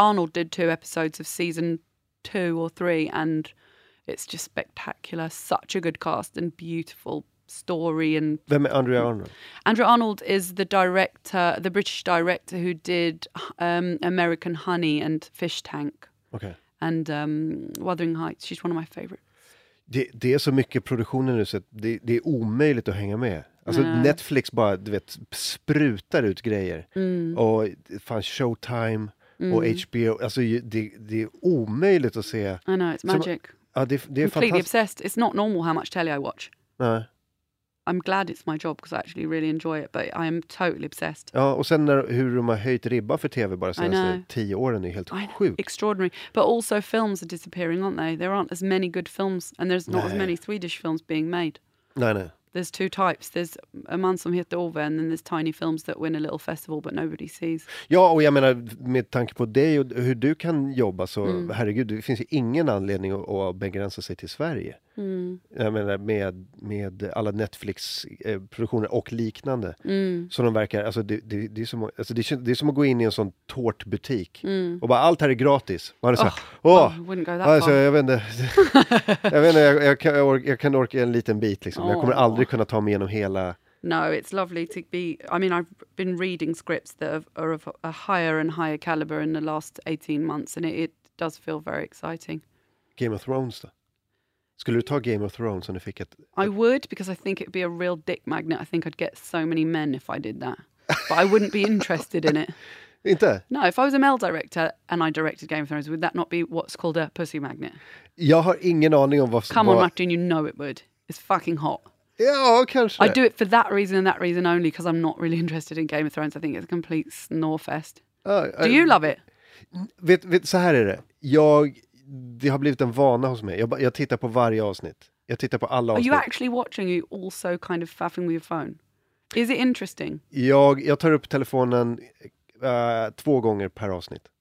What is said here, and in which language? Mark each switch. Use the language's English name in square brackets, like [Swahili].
[English] Arnold did 2 episodes of season 2 or 3 and it's just spectacular. Such a good cast and beautiful story. And [Swedish] vem är Andrea Arnold? [English] Andrea Arnold is the director, the British director who did American Honey and Fish Tank. Okay. And Wuthering Heights. She's one of my favorites. [Swedish] Det är så mycket produktioner nu så att det är omöjligt att hänga med. Alltså Netflix bara, du vet, sprutar ut grejer. Mm. Och fan, Showtime och HBO. Alltså det är omöjligt att se. [English] I know, it's magic. [Swedish] Ja, det är [English] completely obsessed. It's not normal how much telly I watch. [Swedish] Nej. [English] I'm glad it's my job because I actually really enjoy it, but I am totally obsessed. [Swedish] Ja, och sen hur de har höjt ribba för TV bara senaste 10 åren är helt sjukt. [English] Extraordinary. But also films are disappearing, aren't they? There aren't as many good films and there's not as many Swedish films being made. [Swedish] Nej. [English] There's 2 types. There's A Man Som Heter Ove and then there's tiny films that win a little festival but nobody sees. [Swedish] Ja, och jag menar, med tanke på dig och hur du kan jobba så, herregud, det finns ju ingen anledning att begränsa sig till Sverige. Mm. Jag menar, med alla Netflix-produktioner och liknande. Mm. Så de verkar, alltså det är som att gå in i en sån tårtbutik och bara, allt här är gratis. Och han är såhär, jag kan orka en liten bit liksom. Jag kommer aldrig kunna ta mig igenom hela. [English] No, it's lovely to be, I mean, I've been reading scripts that are of a higher and higher caliber in the last 18 months and it does feel very exciting. [Swedish] Game of Thrones då? Skulle du ta Game of Thrones om du fick ett... [English] I would, because I think it'd be a real dick magnet. I think I'd get so many men if I did that. But I wouldn't be interested in it. [Swedish] Inte? [English] No, if I was a male director and I directed Game of Thrones, would that not be what's called a pussy magnet? [Swedish] Jag har ingen aning om vad... [English] Come on, Martin, you know it would. It's fucking hot. [Swedish] Ja, kanske. [English] I do it for that reason and that reason only, because I'm not really interested in Game of Thrones. I think it's a complete snorefest. Do you love it? [Swedish] Vet, så här är det. Jag... Det har blivit en vana hos mig. Jag tittar på varje avsnitt. Jag tittar på alla avsnitt. [English] Are you actually watching? Are you also kind of faffing with your phone? Is it interesting? [Swedish] Jag tar upp telefonen 2 gånger per avsnitt.